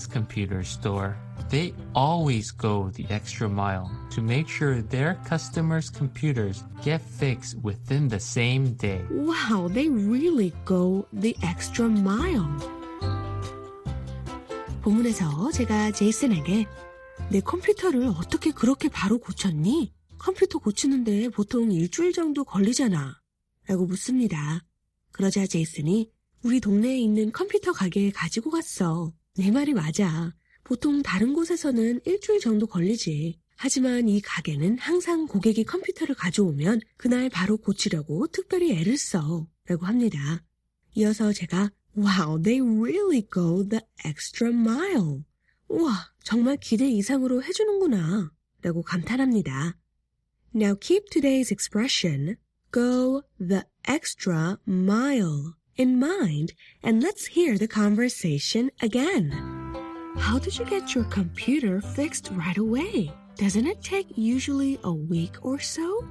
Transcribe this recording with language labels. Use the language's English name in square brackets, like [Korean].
[English] They always go the extra mile to make sure their customers' computers get fixed within the same day. Wow, they really go the extra mile. [Korean] 본문에서 제가 제이슨에게 내 컴퓨터를 어떻게 그렇게 바로 고쳤니? 컴퓨터 고치는데 보통 일주일 정도 걸리잖아. 라고 묻습니다. 그러자 제이슨이 우리 동네에 있는 컴퓨터 가게에 가지고 갔어. 내 말이 맞아. 보통 다른 곳에서는 일주일 정도 걸리지. 하지만 이 가게는 항상 고객이 컴퓨터를 가져오면 그날 바로 고치려고 특별히 애를 써. 라고 합니다. 이어서 제가 [English] Wow, they really go the extra mile. [Korean] 우와, 정말 기대 이상으로 해주는구나. 라고 감탄합니다. [English] Now keep today's expression go the extra mile in mind and let's hear the conversation again. How did you get your computer fixed right away? Doesn't it take usually a week or so?